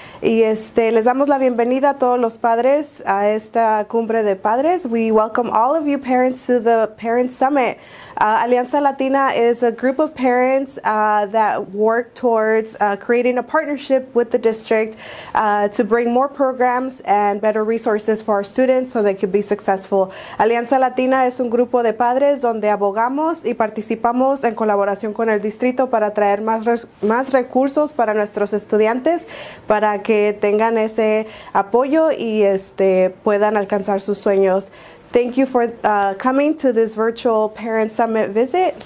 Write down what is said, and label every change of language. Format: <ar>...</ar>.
<es>Y les damos la bienvenida a todos los padres a esta cumbre de padres.</es> <en>We welcome all of you parents to the Parent Summit. Alianza Latina is a group of parents that work towards creating a partnership with the district to bring more programs and better resources for our students so they can be successful.</en> <es>Alianza Latina es un grupo de padres donde abogamos y participamos en colaboración con el distrito para traer más recursos para nuestros estudiantes para que tengan ese apoyo y puedan alcanzar sus sueños.</es> <en>Thank you for coming to this virtual Parent Summit visit.</en>